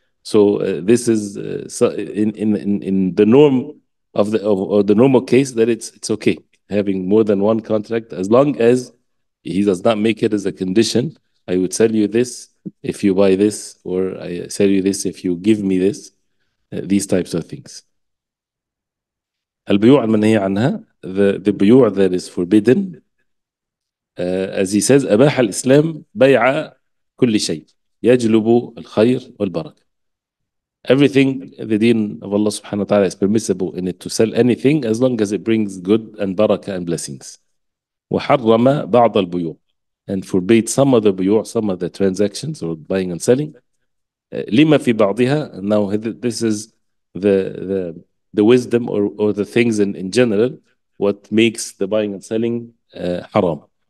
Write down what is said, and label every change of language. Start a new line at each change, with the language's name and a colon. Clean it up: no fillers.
English: So this is in the norm of the or the normal case that it's okay having more than one contract, as long as he does not make it as a condition. I would sell you this if you buy this, or I sell you this if you give me this. These types of things.
Arabic: البيوع المنهي عنها,
English: the بيوع that is forbidden, as he says,
Arabic: أباح الإسلام بيع كل شيء يجلب الخير والبركة.
English: Everything the deen of Allah subhanahu wa ta'ala is permissible in it, to sell anything as long as it brings good and barakah and blessings.
Arabic: وحرم بعض البيوع,
English: and forbade some of the بيوع, some of the transactions or buying and selling.
Arabic: لما في بعضها,
English: now this is the wisdom or the things in general, what makes the buying and selling haram.